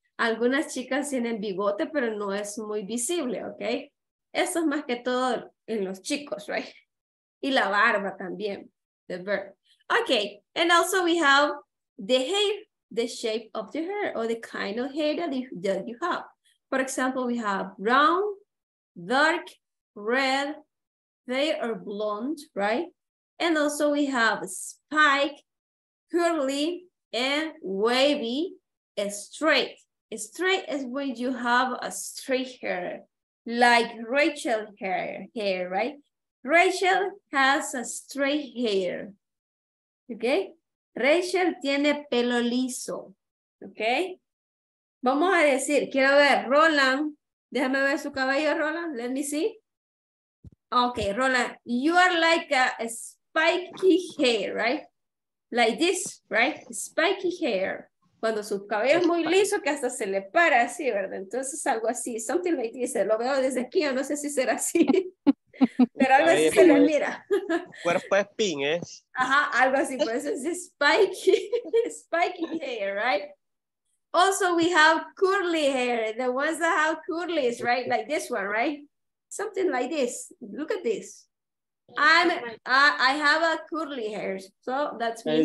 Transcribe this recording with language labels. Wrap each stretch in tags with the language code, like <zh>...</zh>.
<es>Algunas chicas tienen bigote, pero no es muy visible, okay? Eso es más que todo en los chicos, right? Y la barba también,</es> <en>the beard. Okay, and also we have the hair, the shape of the hair, or the kind of hair that you have. For example, we have brown, dark, red, fair or blonde, right? And also we have spike, curly, and wavy, straight. Straight is when you have a straight hair, like Rachel hair, right? Rachel has a straight hair, okay?</en> <es>Rachel tiene pelo liso, okay? Vamos a decir, quiero ver, Roland, déjame ver su cabello, Roland,</es> <en>let me see. Okay, Roland, you are like a spiky hair, right? Like this, right? Spiky hair.</en> <es>Cuando su cabello es muy liso, que hasta se le para así, ¿verdad? Entonces algo así,</es> <en>something like this,</en> <es>lo veo desde aquí, yo no sé si será así. Pero algo así se le mira. Cuerpo de pin, ¿eh? Ajá, algo así, pues es spiky hair, right?</es> <en>Also, we have curly hair, the ones that have curlies, right? Like this one, right? Something like this. Look at this. I have a curly hair, so that's me.</en>